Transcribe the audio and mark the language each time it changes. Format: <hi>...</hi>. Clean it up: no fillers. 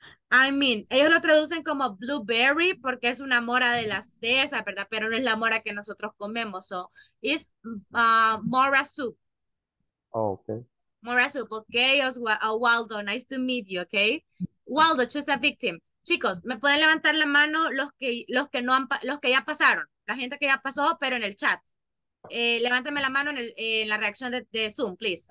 <en>I mean,</en> <es>ellos lo traducen como blueberry porque es una mora de las de esa, ¿verdad? Pero no es la mora que nosotros comemos.</es> <en>So, it's mora soup. Oh, okay. Mora soup, okay, Oswaldo. Nice to meet you, okay? Waldo, choose a victim.</en> <es>Chicos, me pueden levantar la mano los que ya pasaron, la gente que ya pasó, pero en el chat. Levántame la mano en la reacción de Zoom, please.</es>